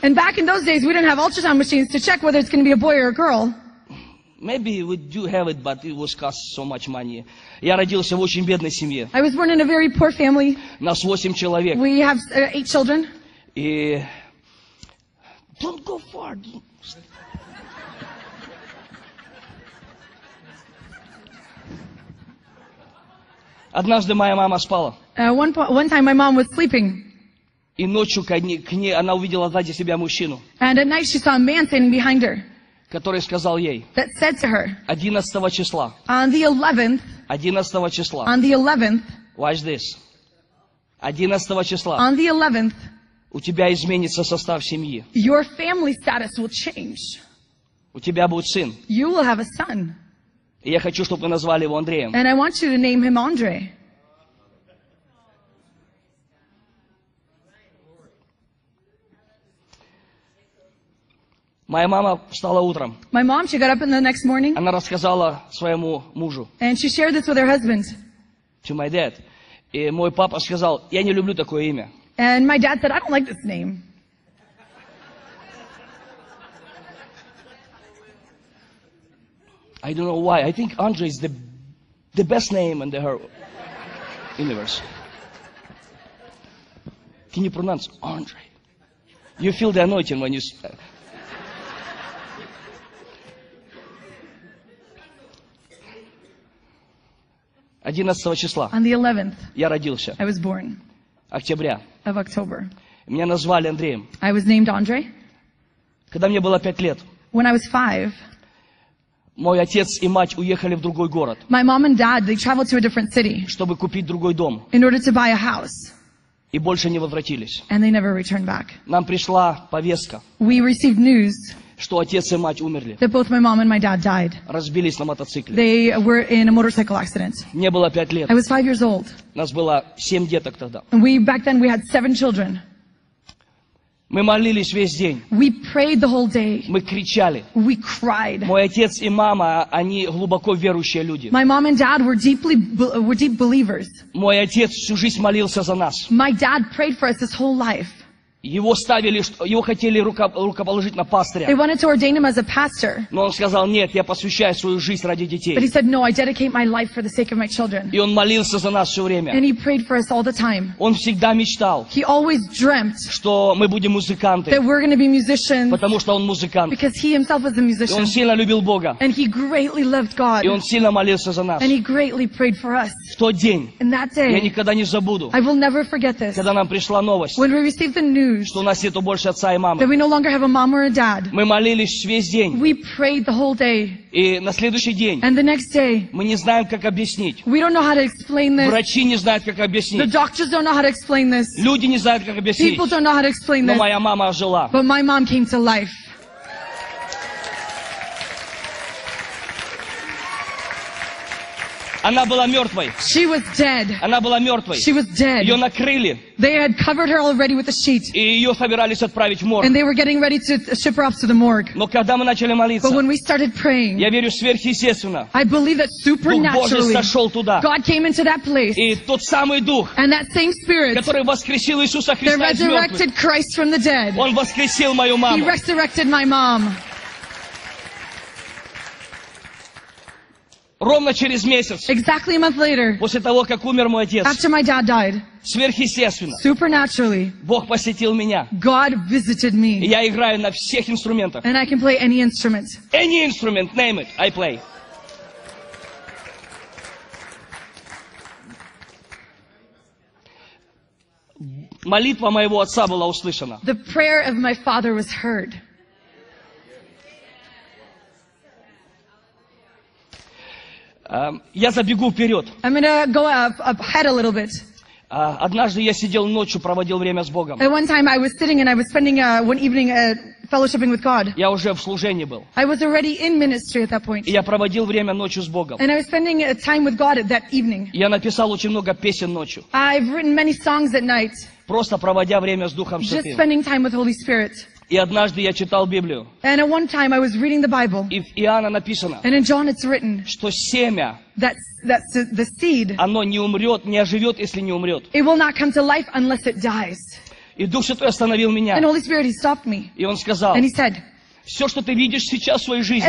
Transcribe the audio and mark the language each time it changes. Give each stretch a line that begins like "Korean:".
English: And back in those days, we didn't have ultrasound machines to check whether it's going to be a boy or a girl. Maybe we do have it, but it was cost so much money.
Russian: Я родился в очень бедной семье.
English: I was born in a very poor family.
Russian: Нас 8 человек.
English: We have 8 children. И don't go far.
Russian: Однажды моя мама спала.
English: One time my mom was sleeping.
Russian: И ночью к ней она увидела сзади себя мужчину.
English: And at night she saw a man standing behind her.
Russian: Который сказал ей.
English: That said to her.
Russian: 11 числа.
English: On the 11th.
Russian: 11 числа.
English: On the 11th. Watch this.
Russian: 11 числа.
English: On the 11th.
Russian: У тебя изменится состав семьи.
English: Your family status will change.
Russian: У тебя будет сын.
English: You will have a son.
Russian: И я хочу, чтобы вы назвали его Андреем.
English: And I want you to name him Andrey.
Russian: Моя мама встала утром.
English: My mom, she got up in the next morning.
Russian: Она рассказала своему мужу.
English: And she shared this with her husband. To my dad.
Russian: И мой папа сказал, я не люблю такое имя.
English: And my dad said, I don't like this name. I don't know why. I think Andrey is the best name in the whole universe. Can you pronounce Andrey? You feel the anointing when you... On the 11th,
Russian: я родился.
English: I was born.
Russian: Октября.
English: Of October.
Russian: Меня назвали Андреем.
English: I was named Andrey.
Russian: Когда мне было 5 лет.
English: When I was 5.
Russian: Мой отец и мать уехали в другой город.
English: My mom and dad, they traveled to a different city.
Russian: Чтобы купить другой дом.
English: In order to buy a house.
Russian: И больше не возвратились.
English: And they never returned back.
Russian: Нам пришла повестка.
English: We received news.
Russian: Что отец и мать умерли.
English: That both my mom and my dad died.
Russian: Разбились на мотоцикле.
English: They were in a motorcycle accident.
Russian: Мне было 5 лет.
English: I was 5 years old.
Russian: Нас было 7 деток тогда.
English: We, back then we had 7 children.
Russian: Мы молились весь день.
English: We prayed the whole day.
Russian: Мы кричали.
English: We cried.
Russian: Мой отец и мама, они глубоко верующие люди.
English: My mom and dad were deep believers.
Russian: Мой отец всю жизнь молился за нас.
English: My dad prayed for us his whole life.
Russian: Его ставили, его хотели рукоположить на пастыря.
English: They wanted to ordain him as a pastor.
Russian: Но он сказал, нет, я посвящаю свою жизнь ради детей.
English: But he said, no, I dedicate my life for the sake of my children.
Russian: И он молился за нас все время.
English: And he prayed for us all the time.
Russian: Он всегда мечтал.
English: He always dreamt.
Russian: Что мы будем музыканты.
English: That we're going to be musicians.
Russian: Потому что он музыкант.
English: Because he himself was a musician.
Russian: И он сильно любил Бога.
English: And he greatly loved God.
Russian: И он сильно молился за нас.
English: And he greatly prayed for us.
Russian: В тот день.
English: In that day.
Russian: Я никогда не забуду.
English: I will never forget this.
Russian: Когда нам пришла новость.
English: When we received the news.
Russian: Что у нас нету больше отца и мамы.
English: That we no longer have a mom or a dad.
Russian: Мы молились весь день.
English: We prayed the whole day.
Russian: И на следующий день.
English: And the next day.
Russian: Мы не знаем, как объяснить.
English: We don't know how to explain this.
Russian: Врачи не знают, как объяснить.
English: The doctors don't know how to explain this.
Russian: Люди не знают, как объяснить.
English: People don't know how to explain this.
Russian: Но моя мама жила.
English: But my mom came to life.
Russian: Она была мертвой.
English: She was dead.
Russian: Она была мертвой.
English: She was dead.
Russian: Ее накрыли.
English: They had covered her already with a sheet.
Russian: И ее собирались отправить в морг.
English: And they were getting ready to ship her off to the morgue.
Russian: Но когда мы начали молиться,
English: but when we started praying,
Russian: я верю сверхъестественно,
English: I believe that supernaturally,
Russian: Дух Божий сошел туда.
English: God came into that place.
Russian: И тот самый Дух,
English: and that same Spirit,
Russian: который воскресил Иисуса Христа из мертвых,
English: that resurrected Christ from the dead.
Russian: Он воскресил мою маму.
English: He resurrected my mom.
Russian: Ровно через месяц.
English: Exactly a month later.
Russian: После того, как умер мой отец.
English: After my dad died.
Russian: Сверхъестественно.
English: Supernaturally.
Russian: Бог посетил меня.
English: God visited me.
Russian: Я играю на всех инструментах.
English: And I can play any instrument. Any instrument, name it, I play.
Russian: Молитва моего отца была услышана.
English: The prayer of my father was heard.
Russian: Я забегу вперед.
English: I'm gonna go up ahead a little bit.
Russian: Однажды я сидел ночью, проводил время с Богом.
English: And one time I was sitting and I was spending one evening fellowshipping with God.
Russian: Я уже в служении был.
English: I was already in ministry at that point.
Russian: И я проводил время ночью с Богом.
English: And I was spending time with God at that evening.
Russian: Я написал очень много песен ночью.
English: I've written many songs at night.
Russian: Просто проводя время с Духом Святым.
English: Just spending time with Holy Spirit.
Russian: И однажды я читал Библию.
English: And at one time I was reading the Bible.
Russian: И в Иоанна написано.
English: And in John it's written.
Russian: Что семя.
English: That's the seed.
Russian: Оно не умрет, не оживет, если не умрет.
English: It will not come to life unless it dies.
Russian: И Дух Святой остановил меня.
English: And Holy Spirit, he stopped me.
Russian: И он сказал.
English: And he said.
Russian: Все, что ты видишь сейчас в своей жизни.